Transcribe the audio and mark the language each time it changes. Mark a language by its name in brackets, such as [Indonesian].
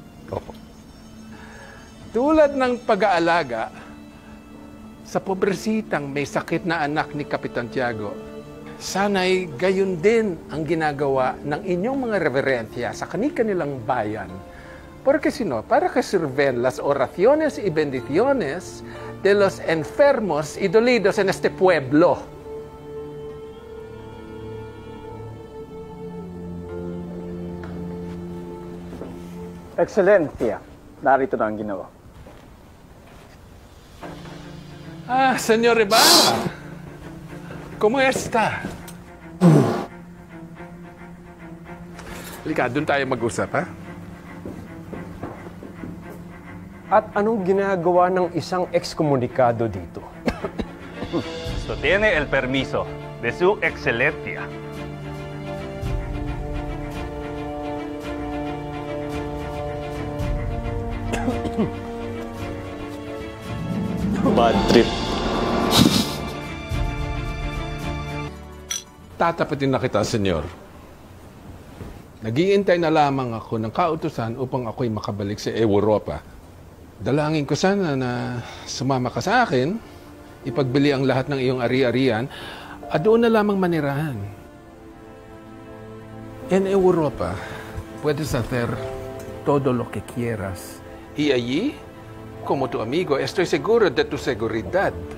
[Filipino] Opo. Tulad ng pag-aalaga sa pobresitang may sakit na anak ni Kapitan Tiago, sana'y gayon din ang ginagawa ng inyong mga reverentia sa kanikanilang bayan. [Spanish] Porque si no, para que sirven las oraciones y bendiciones de los enfermos y dolidos en este pueblo. [Filipino] Excelencia, narito na ang ginawa. [Spanish] Ah, señor Ibarra, ¿cómo está? [Filipino] Lika, dun tayo mag-usap, ha? At anong ginagawa ng isang ekskomunikado dito? [Spanish] So tiene el permiso de su excelencia. [English] Bad trip. [Filipino] Tatapatin na kita, senyor. Nag-iintay na lamang ako ng kautusan upang ako'y makabalik sa Europa. Dalangin ko sana na sumama ka sa akin, ipagbili ang lahat ng iyong ari-arian, at doon na lamang manirahan. [Spanish] En Europa, puedes hacer todo lo que quieras. Y allí, como tu amigo, estoy seguro de tu seguridad.